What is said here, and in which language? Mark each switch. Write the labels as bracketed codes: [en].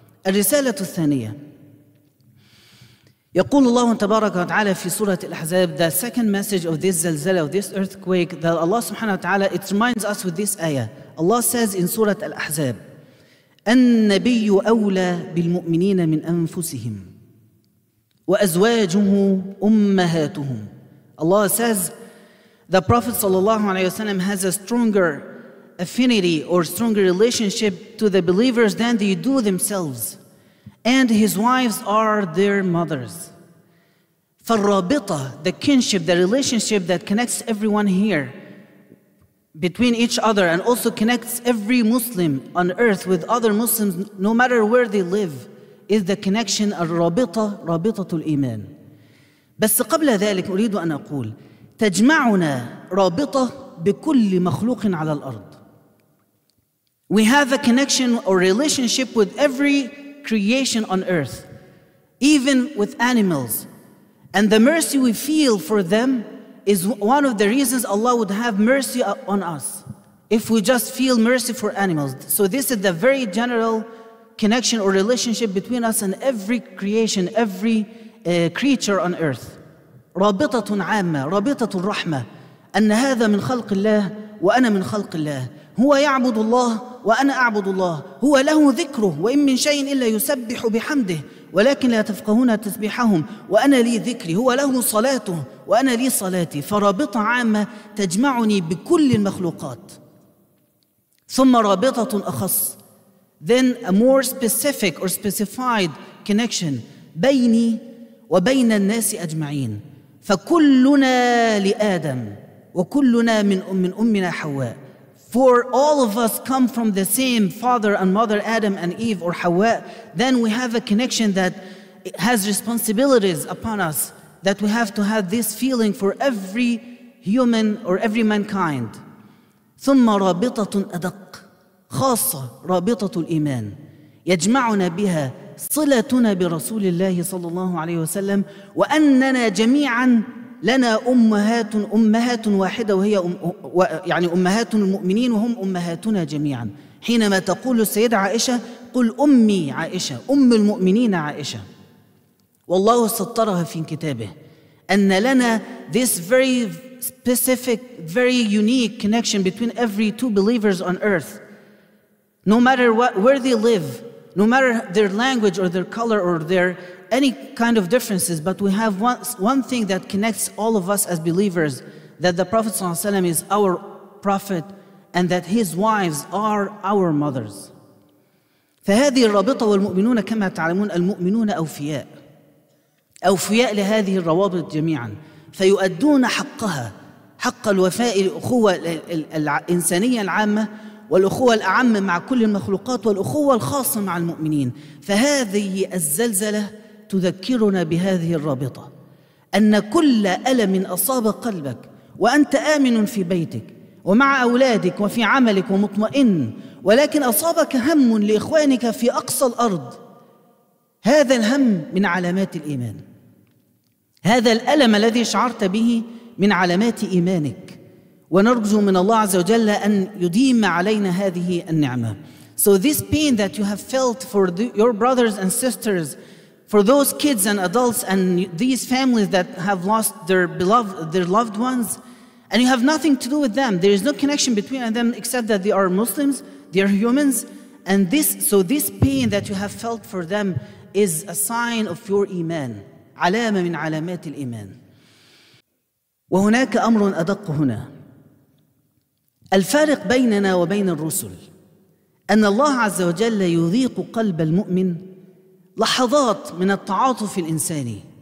[ar] الرسالة الثانية, يقول الله تبارك وتعالى في سورة الأحزاب, [en] the second message of this zalzala, of this earthquake, that Allah سبحانه وتعالى, it reminds us with this ayah. Allah says in [ar] سورة الأحزاب, النبي أولى بالمؤمنين من أنفسهم وأزواجه أمهاتهم. [en] Allah says, the Prophet صلى الله عليه وسلم has a stronger affinity or stronger relationship to the believers than they do themselves, and his wives are their mothers. فالرابطة, the kinship, the relationship that connects everyone here between each other and also connects every Muslim on earth with other Muslims no matter where they live, is the connection [ar] الرابطة, رابطة الإيمان. بس قبل ذلك أريد أن أقول تجمعنا رابطة بكل مخلوق على الأرض. [en] We have a connection or relationship with every creation on earth, even with animals. And the mercy we feel for them is one of the reasons Allah would have mercy on us, if we just feel mercy for animals. So this is the very general connection or relationship between us and every creation, every creature on earth. [ar] رابطة عامة, رابطة الرحمة, أن هذا من خلق الله وأنا من خلق الله. هو يعبد الله وأنا أعبد الله. هو له ذكره وإن من شيء إلا يسبح بحمده ولكن لا تفقهون تسبيحهم وأنا لي ذكري. هو له صلاته وأنا لي صلاتي. فرابطة عامة تجمعني بكل المخلوقات. ثم رابطة أخص, [en] then a more specific or specified connection [ar] بيني وبين الناس أجمعين. فكلنا لآدم وكلنا من أمنا حواء. [en] For all of us come from the same father and mother, Adam and Eve or Hawa. Then we have a connection that has responsibilities upon us, that we have to have this feeling for every human or every mankind. [ar] ثم رابطة أدق خاصة رابطة الإيمان يجمعنا بها صلتنا برسول الله صلى الله عليه وسلم وأننا جميعا لنا أمهات, أمهات واحدة وهي يعني أمهات المؤمنين وهم أمهاتنا جميعا. حينما تقول السيدة عائشة قل أمي عائشة, أم المؤمنين عائشة, والله سطرها في كتابه أن لنا [en] this very specific, very unique connection between every two believers on earth. No matter what, where they live, no matter their language or their color or their any kind of differences, but we have one thing that connects all of us as believers, that the Prophet ﷺ is our prophet and that his wives are our mothers. [ar] فهذه الرابطة والمؤمنون كما تعلمون المؤمنون أوفياء, أوفياء لهذه الروابط جميعا. فيؤدون حقها, حق الوفاء لأخوة الإنسانية العامة والأخوة الأعم مع كل المخلوقات والأخوة الخاصة مع المؤمنين. فهذه الزلزلة تذكرنا بهذه الرابطة, أن كل ألم أصاب قلبك وأنت آمن في بيتك ومع أولادك وفي عملك ومطمئن, ولكن أصابك هم لإخوانك في أقصى الأرض, هذا الهم من علامات الإيمان. هذا الألم الذي شعرت به من علامات إيمانك. ونرجو من الله عز وجل أن يديم علينا هذه النعمة. [en] So this pain that you have felt for your brothers and sisters, for those kids and adults and these families that have lost their beloved, their loved ones, and you have nothing to do with them. There is no connection between them except that they are Muslims, they are humans. And this, so this pain that you have felt for them is a sign of your iman. [ar] علامة من علامات الإيمان. وهناك أمر أدق هنا. الفارق بيننا وبين الرسل أن الله عز وجل يذيق قلب المؤمن لحظات من التعاطف الإنساني